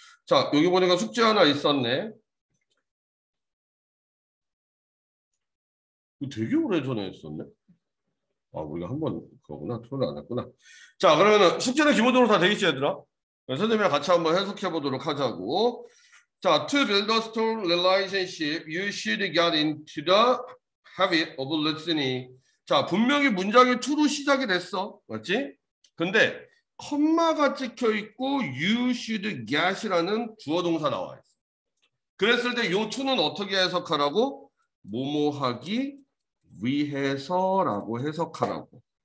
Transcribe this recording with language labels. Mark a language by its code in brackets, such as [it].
[ko] 자, 여기 보니까 숙제 하나 있었네. 되게 오래 전에 했었네. 아, 우리가 한번 그거구나. 토론 안 했구나. 자, 그러면은 숙제는 기본적으로 다 되겠지, 얘들아? 선생님이랑 같이 한번 해석해 보도록 하자고. [en] 자, to build a strong relationship, you should get into the habit of listening. [ko] 자, 분명히 문장이 to로 시작이 됐어. 맞지? 근데 컴마가 찍혀 있고 you should get이라는 주어 동사 나와 있어. 그랬을 때 요 to는 어떻게 해석하라고? 뭐뭐하기 위해서라고 해석하라고.